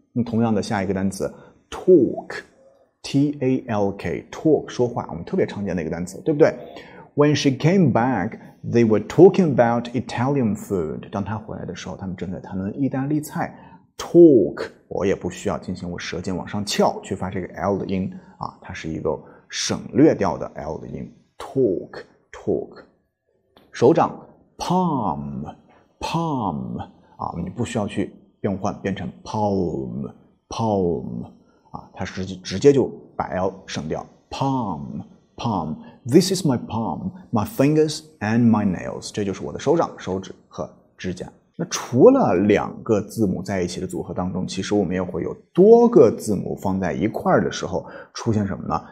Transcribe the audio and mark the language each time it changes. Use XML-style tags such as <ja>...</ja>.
<zh>那同样的，下一个单词 talk， 说话，我们特别常见的一个单词，对不对？</zh> <en>When she came back, they were talking about Italian food.</en> <zh>当她回来的时候，他们正在谈论意大利菜。Talk， 我也不需要进行我舌尖往上翘去发这个 L 的音啊，它是一个省略掉的 L 的音。 Talk。 手掌 ，palm， 啊，你不需要去变换，变成 palm， 啊，它直接就把 L 省掉 ，palm。</zh> <en>This is my palm, my fingers and my nails.</en> <zh>这就是我的手掌、手指和指甲。那除了两个字母在一起的组合当中，其实我们也会有多个字母放在一块的时候出现什么呢？</zh>